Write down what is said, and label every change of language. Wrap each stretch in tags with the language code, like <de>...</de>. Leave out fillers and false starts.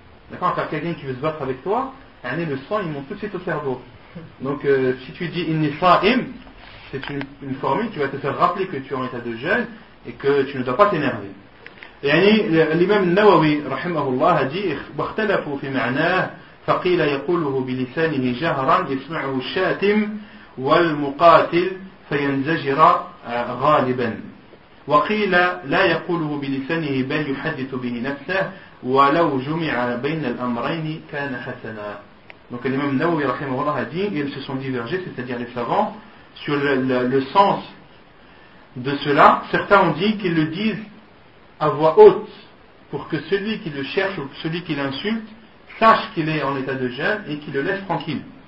<fr>D'accord, car quelqu'un qui veut se battre avec toi, le sang il monte tout de suite au cerveau. Donc si tu dis</fr> <ar>inni sa'im,</ar> <fr>c'est une formule qui va te faire rappeler que tu es en état de jeûne et que tu ne dois pas t'énerver.</fr> <ar>يعني الإمام النووي رحمه الله جيخ واختلفوا في معناه فقيل يقوله بلسانه جهرا يسمعه الشاتم والمقاتل فينزجر غالبا وقيل لا يقوله بلسانه بل يحدث به نفسه ولو جمع بين الأمرين كان حسنا.</ar> <fr>Donc الإمام النووي رحمه الله dit ils se sont divergés, c'est-à-dire les savants, sur le sens de cela, certains ont dit qu'ils le disent à voix haute pour que celui qui le cherche ou celui qui l'insulte sache qu'il est en état de jeûne et qu'il le laisse tranquille.</fr>